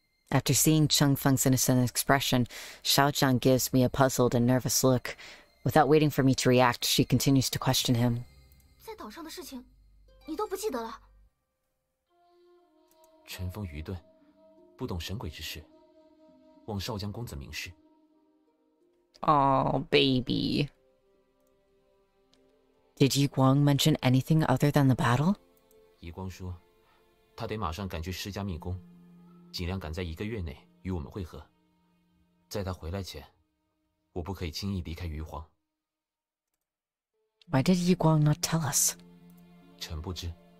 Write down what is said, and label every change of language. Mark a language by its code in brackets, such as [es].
[en] After seeing Cheng Feng's innocent expression, Xiao Zhang gives me a puzzled and nervous look. Without waiting for me to react, she continues to question him. [zh] 在岛上的事情，你都不记得了？陈峰愚钝，不懂神鬼之事，望少将公子明示。 [en] Oh, baby. Did Yi Guang mention anything other than the battle? [zh] 遗光说，他得马上赶去释迦密宫。尽量赶在一个月内与我们会合，在他回来前，我不可以轻易离开余皇。 [en] Why did Yi Guang not tell us? [zh] 臣不知。